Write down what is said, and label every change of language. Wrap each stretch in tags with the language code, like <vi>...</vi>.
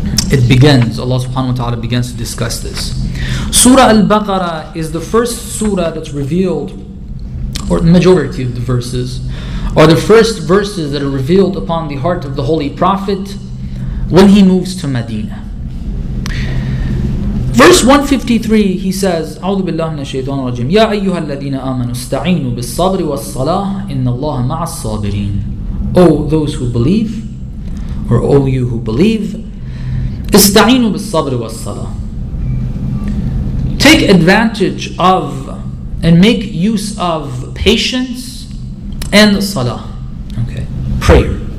<en>It begins, Allah subhanahu wa ta'ala begins to discuss this. Surah Al-Baqarah is the first surah that's revealed, or the majority of the verses, are the first verses that are revealed upon the heart of the Holy Prophet when he moves to Medina. Verse 153, he says,</en> <ar>أعوذ بالله من الشيطان الرجيم يا أيها الذين آمنوا استعينوا بالصبر والصلاة إن الله مع الصابرين.</ar> <en>O those who believe, or all you who believe,</en> <ar>استعينوا بالصبر والصلاة.</ar> <en>Take advantage of and make use of patience and salah. Okay. Prayer.</en>